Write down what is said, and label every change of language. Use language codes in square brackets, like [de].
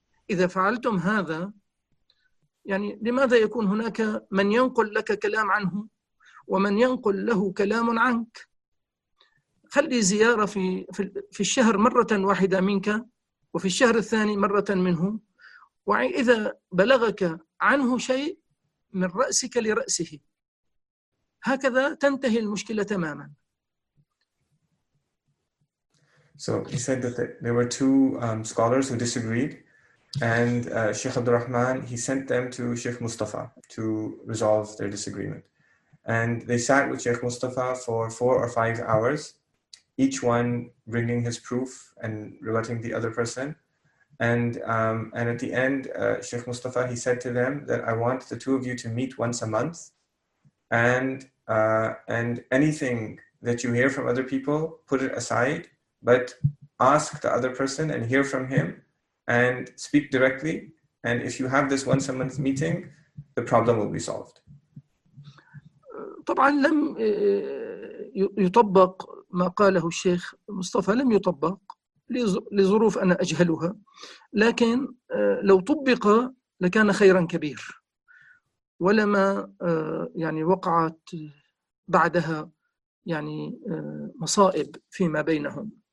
[ar] إذا فعلتم هذا، يعني لماذا يكون هناك من ينقل لك كلام عنه ومن ينقل له كلام عنك؟ خلي زيارة في الشهر مرة واحدة منك، وفي الشهر الثاني مرة منه، وإذا بلغك عنه شيء من رأسك لرأسه، هكذا تنتهي المشكلة تماما. [en] So he said that there were two scholars who disagreed, and Sheikh Abdul Rahman, he sent them to Sheikh Mustafa to resolve their disagreement. And they sat with Sheikh Mustafa for 4 or 5 hours, each one bringing his proof and rebutting the other person. And at the end, Sheikh Mustafa, he said to them that I want the two of you to meet once a month, and anything that you hear from other people, put it aside. But ask the other person and hear from him and speak directly. And if you have this once a month meeting, the problem will be solved. [ar] طبعا لم يطبق ما قاله الشيخ مصطفى، لم يطبق لظروف أنا أجهلها، لكن لو طبق لكان خيرا كبير، ولما يعني وقعت بعدها يعني مصائب فيما بينهم.